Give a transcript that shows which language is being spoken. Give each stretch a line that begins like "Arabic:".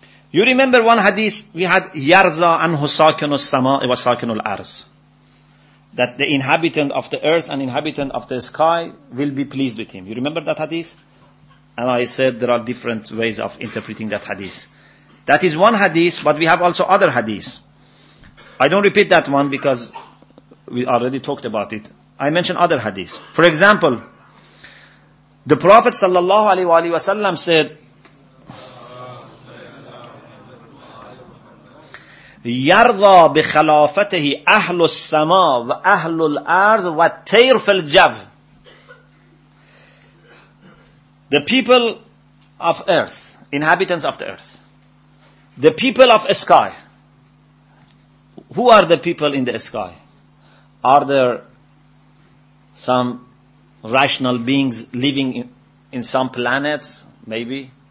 English: You remember one hadith we had,
Arabic: Yarza an husakinu samaa wa sakinu al-arz,
English: that the inhabitant of the earth and inhabitant of the sky will be pleased with him. You remember that hadith? And I said there are different ways of interpreting that hadith. That is one hadith, but we have also other hadith. I don't repeat that one because we already talked about it. I mentioned other hadith. For example, the Prophet sallallahu alaihi wasallam said,
Arabic: يَرْضَى بِخَلَافَتِهِ أَهْلُ السَّمَا وَأَهْلُ الْأَرْضِ وَالْتَيْرُ فِي الْجَوِّ.
English: The people of earth, inhabitants of the earth, the people of sky. Who are the people in the sky? Are there some rational beings living in some planets? Maybe.